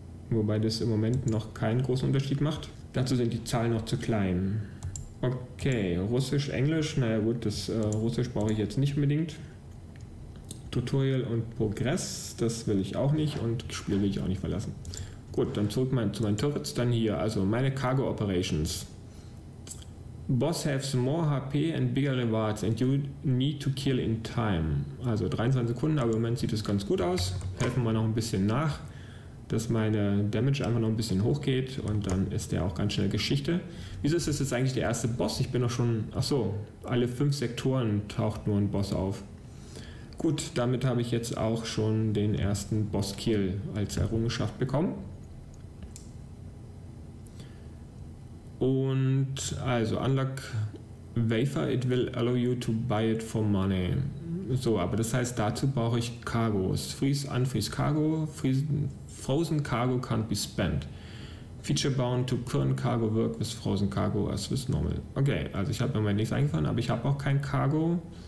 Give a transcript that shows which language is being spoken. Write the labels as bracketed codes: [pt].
[de] Wobei das im Moment noch keinen großen Unterschied macht. Dazu sind die Zahlen noch zu klein. Okay, Russisch, Englisch, naja gut, das Russisch brauche ich jetzt nicht unbedingt. Tutorial und Progress, das will ich auch nicht und Spiel will ich auch nicht verlassen. Gut, dann zurück zu meinen Turrets, dann hier, also meine Cargo Operations. [en] Boss has more HP and bigger rewards and you need to kill in time. [de] Also 23 Sekunden, aber im Moment sieht es ganz gut aus. Helfen wir noch ein bisschen nach, dass meine Damage einfach noch ein bisschen hoch geht und dann ist der auch ganz schnell Geschichte. Wieso ist das jetzt eigentlich der erste Boss? Ich bin doch schon, achso, alle 5 Sektoren taucht nur ein Boss auf. Gut, damit habe ich jetzt auch schon den ersten Boss-Kill als Errungenschaft bekommen. Und also, [en] unlock Wafer, it will allow you to buy it for money. [de] So, aber das heißt, dazu brauche ich Cargos. [en] Freeze, unfreeze Cargo, frozen Cargo can't be spent. Feature bound to current Cargo work with frozen Cargo as with normal. [de] Okay, also ich habe mir mal nichts eingefallen, aber ich habe auch kein Cargo.